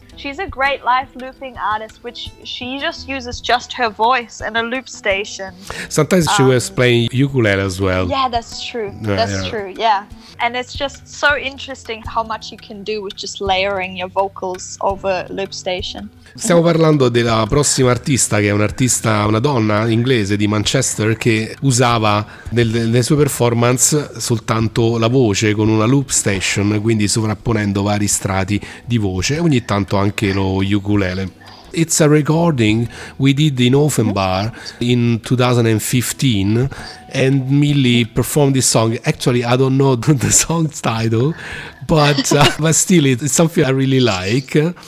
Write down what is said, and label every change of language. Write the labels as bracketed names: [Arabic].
[English] She's a great live looping artist, which she just uses just her voice and a loop station. Sometimes she was playing ukulele as well. Yeah, that's true. Yeah. And it's just so interesting how much you can do with just layering your vocals over loop station. [Italian] Stiamo parlando della prossima artista, che è un'artista, una donna inglese di Manchester, che usava nelle sue performance soltanto la voce con una loop station, quindi sovrapponendo vari strati di voce, ogni tanto anche lo ukulele. [English] It's a recording we did in Offenbach in 2015, and Millie performed this song. Actually, I don't know the song's title, but still, it's something I really like.